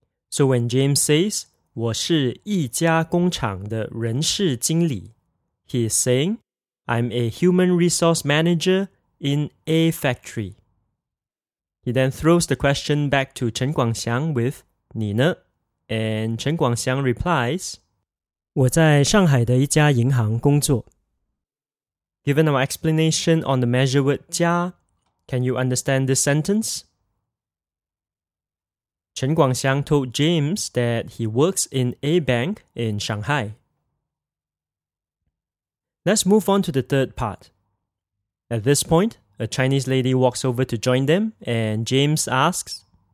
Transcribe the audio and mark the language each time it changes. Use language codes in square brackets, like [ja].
[en] So when James says, [zh] 我是一家工厂的人事经理, [en] he is saying, I'm a human resource manager in a factory. He then throws the question back to Chen Guangxiang with, [zh] 你呢? [en] And Chen Guangxiang replies, [zh] 我在上海的一家银行工作. [en] Given our explanation on the measure word 家, can you understand this sentence? Chen Guangxiang told James that he works in a bank in Shanghai. Let's move on to the third part. At this point, a Chinese lady walks over to join them, and James asks,